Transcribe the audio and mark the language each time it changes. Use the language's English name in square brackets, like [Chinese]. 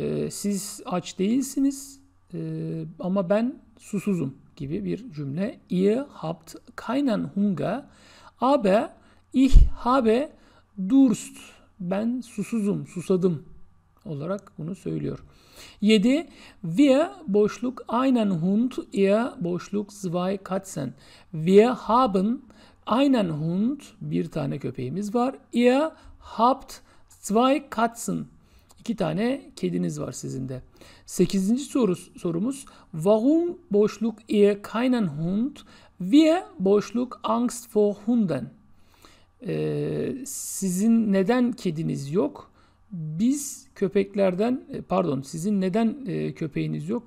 [Turkish] Siz aç değilsiniz ama ben susuzum gibi bir cümle. [German] Ihr habt keinen Hunger, aber ich habe Durst. [Turkish] Ben susuzum, susadım olarak bunu söylüyor. 7. [German] Wir boşluk einen Hund, ihr boşluk zwei Katzen. Wir haben einen Hund, [Turkish] bir tane köpeğimiz var. [German] Ihr habt zwei Katzen. [Turkish] İki tane kediniz var sizin de. Sekizinci sorumuz. [German] Warum boşluk ihr keinen Hund? Wir boşluk Angst vor Hunden. [Turkish] Sizin neden kediniz yok? Biz köpeklerden, pardon, sizin neden köpeğiniz yok?